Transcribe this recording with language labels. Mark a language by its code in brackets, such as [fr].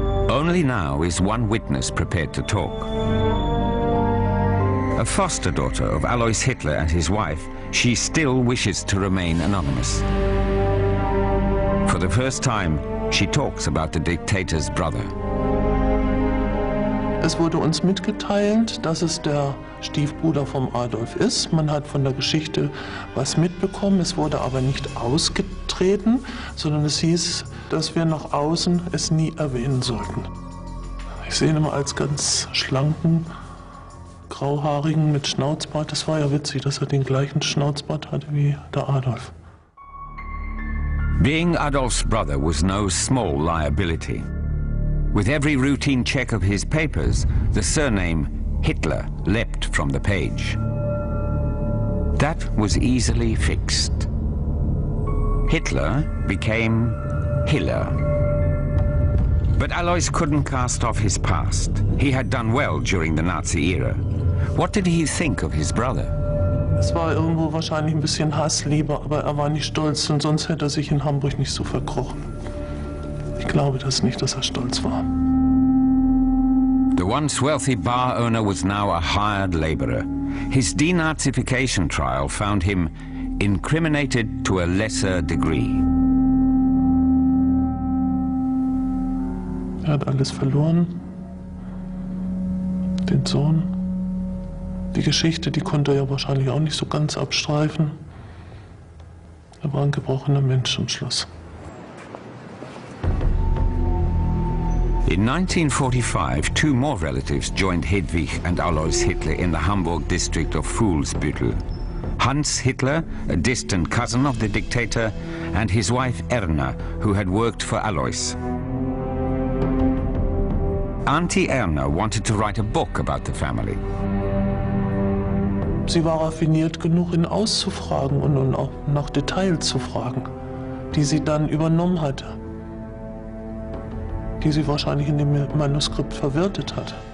[en] Only now is one witness prepared to talk. A foster daughter of Alois Hitler and his wife, she still wishes to remain anonymous. For the first time, she talks about the dictator's brother. [de] Es wurde uns mitgeteilt, dass es der Stiefbruder vom Adolf ist. Man hat von der Geschichte was mitbekommen. Es wurde aber nicht ausgetreten, sondern es hieß, dass wir nach außen es nie erwähnen sollten. Ich sehe ihn immer als ganz schlanken, grauhaarigen mit Schnauzbart. Das war ja witzig, dass er den gleichen Schnauzbart hatte wie der Adolf. [en] Being Adolf's brother was no small liability. With every routine check of his papers, the surname Hitler leapt from the page. That was easily fixed. Hitler became Hiller. But Alois couldn't cast off his past. He had done well during the Nazi era. What did he think of his brother? [de] Es war irgendwo wahrscheinlich ein bisschen Hassliebe, aber er war nicht stolz, denn sonst hätte er sich in Hamburg nicht so verkrochen. Ich glaube das nicht, dass er stolz war. [en] The once wealthy bar owner was now a hired laborer. His denazification trial found him incriminated to a lesser degree. [de] Er hat alles verloren. Den Sohn. Die Geschichte, die konnte er ja wahrscheinlich auch nicht so ganz abstreifen. Er war ein gebrochener Mensch am Schluss. [en] In 1945, two more relatives joined Hedwig and Alois Hitler in the Hamburg district of Fuhlsbüttel. Hans Hitler, a distant cousin of the dictator, and his wife Erna, who had worked for Alois. Auntie Erna wanted to write a book about the family. [de] Sie war raffiniert genug, ihn auszufragen und auch nach Details zu fragen, die sie dann übernommen hatte. Die sie wahrscheinlich in dem Manuskript verwertet hat.